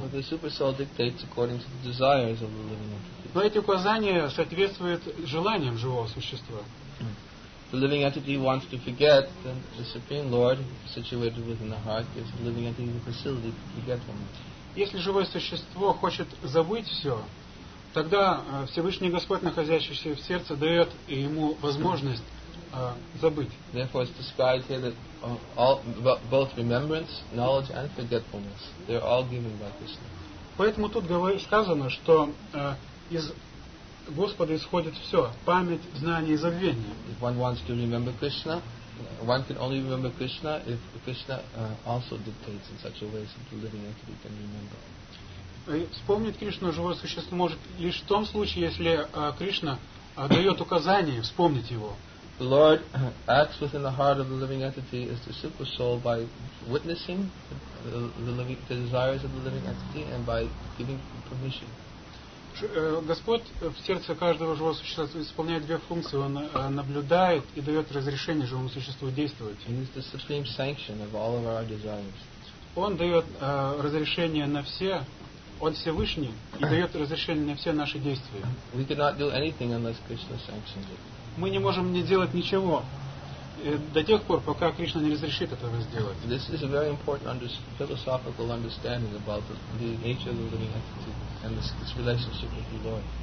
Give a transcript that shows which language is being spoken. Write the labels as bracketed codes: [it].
[en] But the super soul dictates according to the desires of the living entity. [ru] Но эти указания соответствуют желаниям живого существа. [en] The living entity wants to forget, then the Supreme Lord, situated within the heart, gives the living entity the facility to forget him. [ru] Если живое существо хочет забыть все, тогда Всевышний Господь, находящийся в сердце, дает ему возможность забыть. [en] Therefore, it's described here that all, both remembrance, knowledge, and forgetfulness, they're all given by Krishna. [ru] Поэтому тут сказано, что из Господа исходит все: память, знание и забвение. [en] If one wants to remember Krishna, one can only remember Krishna if Krishna also dictates in such a way that the living entity can remember. [ru] Вспомнить Кришну живое существо может лишь в том случае, если Кришна дает указание вспомнить его. [en] The Lord acts within the heart of the living entity as the super soul by witnessing the desires of the living entity and by giving permission. [ru] Господь в сердце каждого живого существа исполняет две функции. Он наблюдает и дает разрешение живому существу действовать. [en] He is the supreme sanction of all of our desires. [ru] Он дает разрешение на все Он Всевышний и дает разрешение на все наши действия. [en] We cannot do anything unless Krishna sanctions it. [ru] Мы не можем не делать ничего до тех пор, пока Кришна не разрешит этого сделать. [en] This is a very important philosophical understanding about the nature of the living entity and this relationship with the Lord.